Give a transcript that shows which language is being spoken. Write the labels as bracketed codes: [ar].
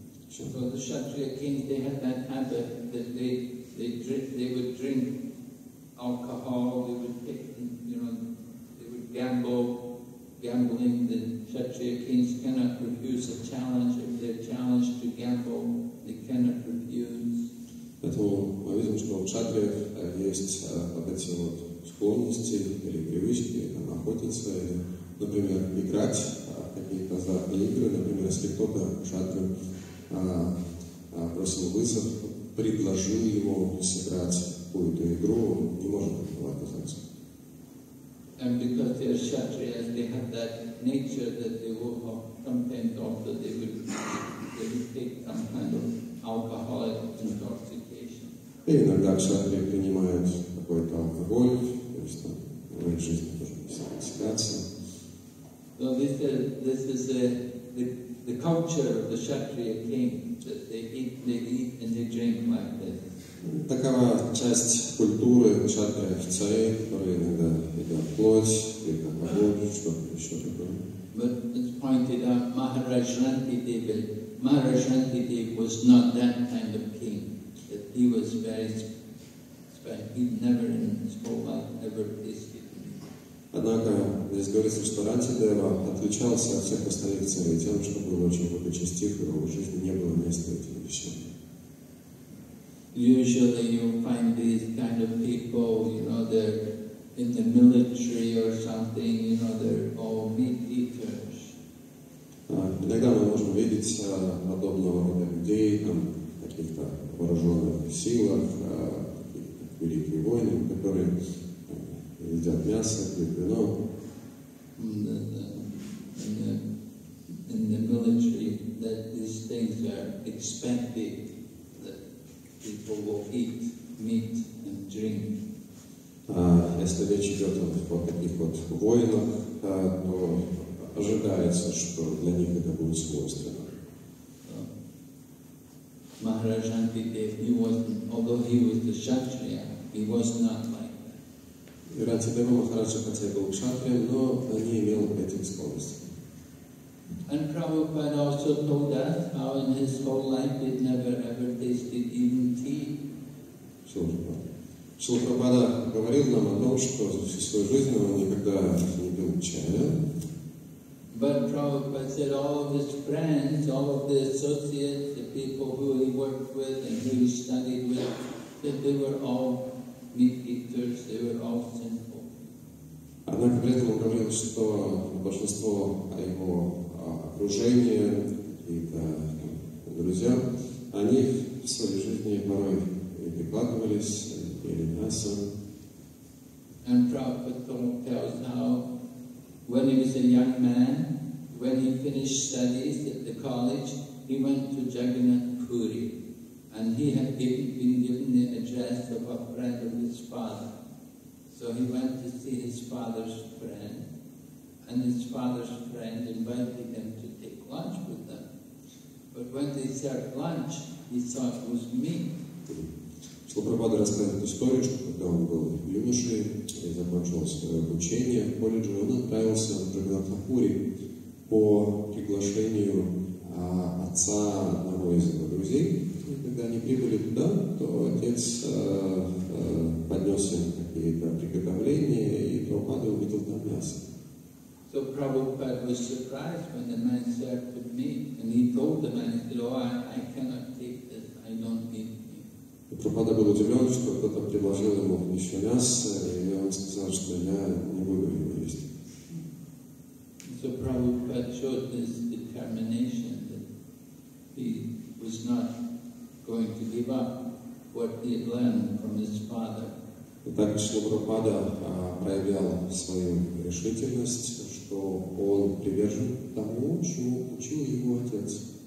[en] So the Kshatriya kings, they had that habit that they would drink alcohol, they would take, you know, they would gambling. The Kshatriya kings cannot refuse a challenge. If they're challenged to gamble, they cannot refuse. [ru] Поэтому мы видим, что у кшатриев есть вот эти вот склонности или привычки там, охотиться или, например, играть в какие-то азартные игры. Например, если кто-то кшатрию бросил вызов, предложил ему сыграть какую-то игру, он не может этого отказаться. [en] And because they are kshatriyas, they have that nature that they will have content of, that they will take some kind of alcoholic intoxication. [ru] И иногда кшатрии принимают какой-то алкоголь, то есть там в их жизни тоже интоксикация. [en] So this is the culture of the kshatriya king, that they eat and they drink like this. [ru] Такова часть культуры кшатрия-царей, которые иногда едят плоть, пьют алкоголь, что-то еще такое. [en] But it's pointed out, Maharaj Shantideva was not that kind of king. He was very special. He never in his whole life ever tasted anything. [ru] Однако здесь говорится, что Рантидева отличался от всех остальных царей тем, что был очень благочестив, и в его жизни не было места этим вещам. [en] Usually you find these kind of people, you know, they're in the military or something, you know, they're all meat eaters. [ru] Иногда мы можем видеть подобного рода людей, там, каких-то вооруженных силах, великие войны, которые едят мясо, пьют вино. [en] In the military, that these things are expected, that people will eat meat and drink. [ru] Если речь идет о таких вот войнах, то ожидается, что для них это будет свойственно. [en] Maharaj Shantideva, he wasn't, although he was the Kshatriya, he was not like that. [ru] собирать Адама Махараджа, хотя был кшатрием, но не имел к этим склонности. [en] And Prabhupada also told us how in his whole life he'd never ever tasted even tea. [ru] Шрила Прабхупада говорил нам о том, что за всю свою жизнь он никогда не пил чая. [en] But Prabhupada said all of his friends, all of the associates, the people who he worked with and who he studied with, that they were all meat eaters, they were all sinful. [ru] Однако при этом он говорил, что большинство его окружения и друзья, они в своей жизни порой и прикладывались, ели мясо. [en] And Prabhupada tells how when he was a young man, when he finished studies at the college, he went to Jagannath Puri. And he had been given the address of a friend of his father. So he went to see his father's friend. And his father's friend invited him to take lunch with them. But when they served lunch, he thought it was meat. [ru] Шрила Прабхупада рассказывает историю, что когда он был юношей и закончил свое обучение в колледже, он отправился в Джагнатха Пури по приглашению отца одного из его друзей. И когда они прибыли туда, то отец поднес им какие-то приготовления, и Прабхупада увидел там мясо. [en] So Prabhupada was surprised when the man served with meat, and he told the man, he said, oh, I cannot take this, I don't eat meat. [ru] И Прабхупада был удивлен, что кто-то предложил ему еще мясо, и он сказал, что я не буду его есть. [en] So Prabhupada showed his determination that he was not going to give up what he had learned from his father. [ru] И так Шрила Прабхупада проявлял свою решительность, что он привержен тому, чему учил его отец.